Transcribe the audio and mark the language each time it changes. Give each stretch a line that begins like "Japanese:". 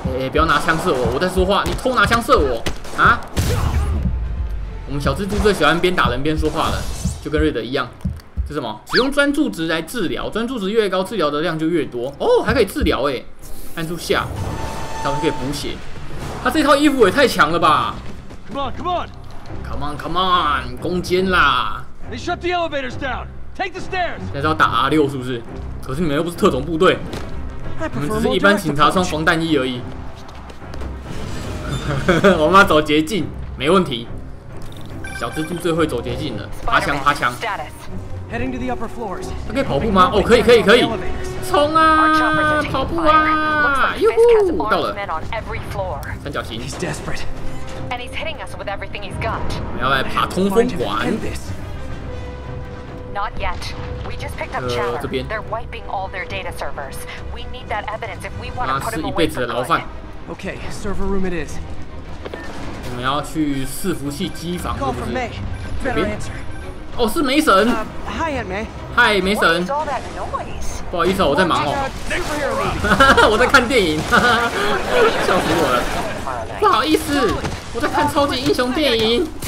Chinese: 不要拿枪射我，我在说话，你偷拿枪射我啊？我们小蜘蛛最喜欢边打人边说话了，就跟瑞德一样。是什么？使用专注值来治疗，专注值越高，治疗的量就越多哦，还可以治疗哎。按住下，然后可以补血。他这套衣服也太强了吧 ！
English: Come on！
Chinese: 攻坚啦
English: ！They shut the elevators down. Take the stairs.
Chinese: 现在要打 R6 是不是？可是你们又不是特种部队，你们只是一般警察穿防弹衣而已。我们要走捷径，没问题。小蜘蛛最会走捷径了，爬墙。
English: Heading to the upper floors.
Chinese: 他可以跑步吗？可以，冲啊，跑步啊！哟呼，到了。
English: 三角形。He's desperate, and he's hitting us with everything he's got.
Chinese: 我们要来爬通风管。
English: Not yet. We just picked up Chatter. They're wiping all their data servers. We need that evidence if we want to put him away for good. Okay, server room it is.
Chinese: 我们要去伺服器机房，是不是？这边。哦，是梅神。嗨，梅神。不好意思，我在忙哦。我在看电影。笑死我了。不好意思，我在看超级英雄电影。